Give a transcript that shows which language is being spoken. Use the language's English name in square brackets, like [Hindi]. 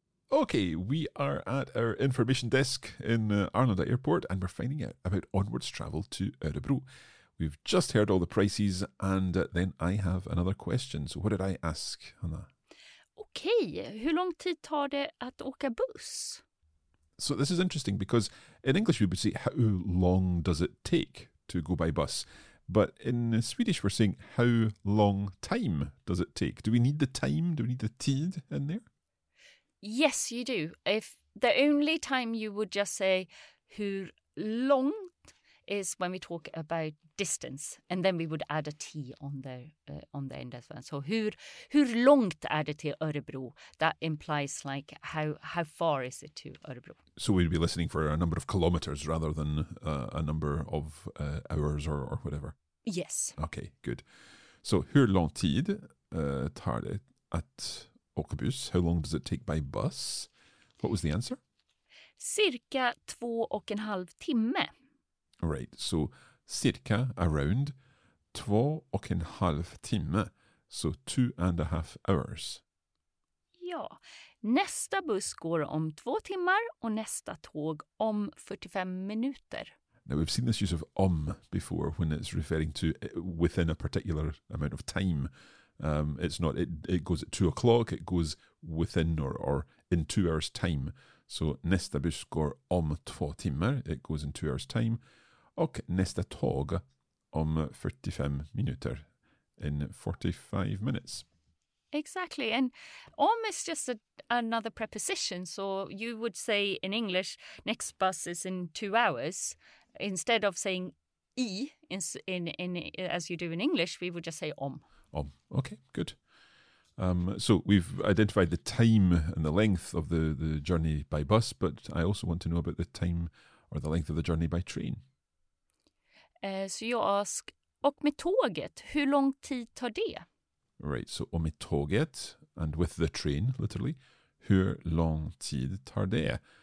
[English] Okay, we are at our information desk in Arlanda Airport and we're finding out about onwards travel to Örebro. We've just heard all the prices and then I have another question. So what did I ask, Anna? [Swedish] Okay, hur lång tid tar det att åka buss? [English] So this is interesting because in English we would say how long does it take to go by bus? But in Swedish we're saying how long time does it take? Do we need the time? Do we need the tid in there? Yes, you do. If the only time you would just say hur långt is when we talk about distance, and then we would add a T on the end as well. [Swedish] So hur långt är det till Örebro? [English] That implies like how far is it to Örebro? So we'd be listening for a number of kilometers rather than a number of hours or whatever. Yes. Okay, good. [Swedish] So hur lång tid tar det att åka buss? [English] How long does it take by bus? What was the answer? [Swedish] Cirka 2,5 timme. [English] Right, so cirka around 2,5 timme. So 2.5 hours. [Swedish] Ja, nästa buss går om 2 timmar och nästa tåg om 45 minuter. [English] Now we've seen this use of om before when it's referring to within a particular amount of time. It's not, it goes at 2 o'clock, it goes within or in 2 hours' time. So [Swedish] nästa buss går om 2 timmar, [English] it goes in 2 hours' time. [Swedish] Och nästa tåg om 45 minuter, [English] in 45 minutes. Exactly, and om is just another preposition. So you would say in English, next bus is in 2 hours. Instead of saying I, in as you do in English, we would just say om. Om. Okay, good. So we've identified the time and the length of the journey by bus, but I also want to know about the time or the length of the journey by train. So you ask, [Swedish] och med tåget, hur lång tid tar det? [English] Right, so [Swedish] och med tåget, [English] and with the train, literally, [Swedish] hur lång tid tar det?